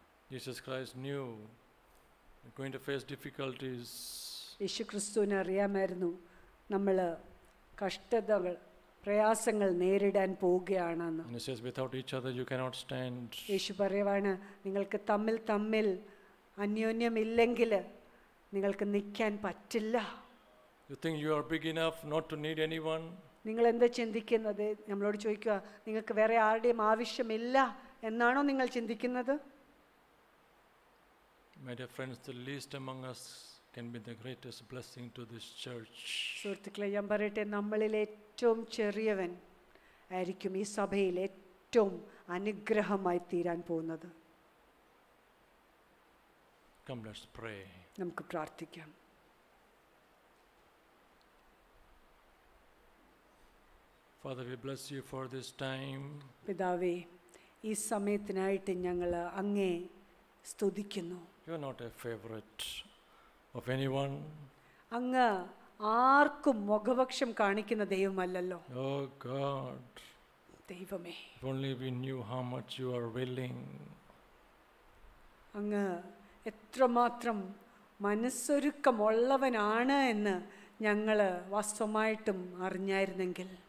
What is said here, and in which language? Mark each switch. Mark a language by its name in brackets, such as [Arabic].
[English] Jesus Christ knew we're going to face difficulties. [Malayalam] Yeshu Christuvine ariyamayirunnu nammale kashtathakal പ്രയാസങ്ങൾ നേരിടാൻ പോവുകയാണെന്ന്. [English] Without each other you cannot stand. [Malayalam] യേശു പറയുവാണ് നിങ്ങൾക്ക് തമ്മിൽ തമ്മിൽ അന്യോന്യമില്ലെങ്കിൽ നിങ്ങൾക്ക് നിൽക്കാൻ പറ്റില്ല. [English] You think you are big enough not to need anyone? [Malayalam] നിങ്ങൾ എന്താ ചിന്തിക്കുന്നത്? നമ്മളോട് ചോദിക്കുക, നിങ്ങൾക്ക് വേറെ ആരുടെയും ആവശ്യമില്ല എന്നാണോ നിങ്ങൾ ചിന്തിക്കുന്നത്? [English] My dear friends, the least among us can be the greatest blessing to this church. [Malayalam] സുഹൃത്തുക്കളെ, ഞാൻ പറയട്ടെ, നമ്മളിലെ ഏറ്റവും ചെറിയവൻ ആയിരിക്കും ഈ സഭയിൽ ഏറ്റവും അനുഗ്രഹമായി തീരാൻ പോകുന്നത്. [English] Come, let's pray. [Malayalam] നമുക്ക് പ്രാർത്ഥിക്കാം. [English] Father, we bless you for this time. [Malayalam] പിതാവേ, ഈ സമയത്തിനായിട്ട് ഞങ്ങൾ അങ്ങേ സ്തുതിക്കുന്നു. [English] You are not a favorite of anyone. [Malayalam] അങ്ങ് ആർക്കും മുഖപക്ഷം കാണിക്കുന്ന ദൈവമല്ലല്ലോ. [English] oh God, [Malayalam] ദൈവമേ, [English] if only we knew how much you are willing. [Malayalam] അങ്ങ് എത്രമാത്രം മനസ്സൊരുക്കമുള്ളവനാണ് എന്ന് ഞങ്ങൾ വാസ്തവമായിട്ടും അറിഞ്ഞായിരുന്നെങ്കിൽ.